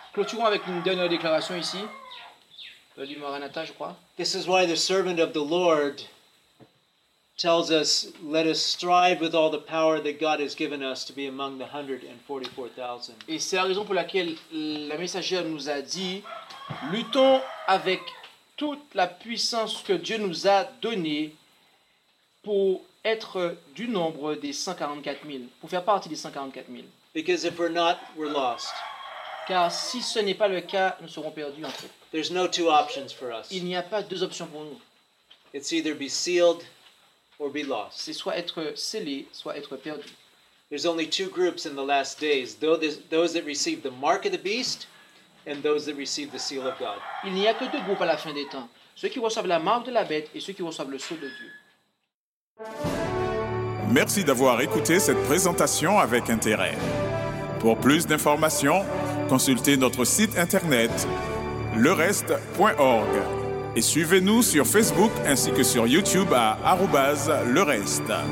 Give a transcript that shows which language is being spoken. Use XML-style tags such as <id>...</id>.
<fr>Clôturons avec une dernière déclaration ici. Maranatha, je crois.</fr> <en>This is why the servant of the Lord tells us, let us strive with all the power that God has given us to be among the 144,000.</en> <fr>Et c'est la raison pour laquelle la messagère nous a dit, luttons avec toute la puissance que Dieu nous a donnée pour être du nombre des 144,000, pour faire partie des 144,000.</fr> <en>Because if we're not, we're lost.</en> <fr>Car si ce n'est pas le cas, nous serons perdus en fait.</fr> <en>There's no two options for us.</en> <fr>Il n'y a pas deux options pour nous.</fr> <en>It's either be sealed or be lost.</en> <fr>C'est soit être scellé, soit être perdu.</fr> <en>There's only two groups in the last days, those that receive the mark of the beast and those that receive the seal of God.</en> <fr>Il n'y a que deux groupes à la fin des temps, ceux qui reçoivent la marque de la bête et ceux qui reçoivent le sceau de Dieu. Merci d'avoir écouté cette présentation avec intérêt. Pour plus d'informations, consultez notre site internet lereste.org et suivez-nous sur Facebook ainsi que sur YouTube à @lereste.</fr>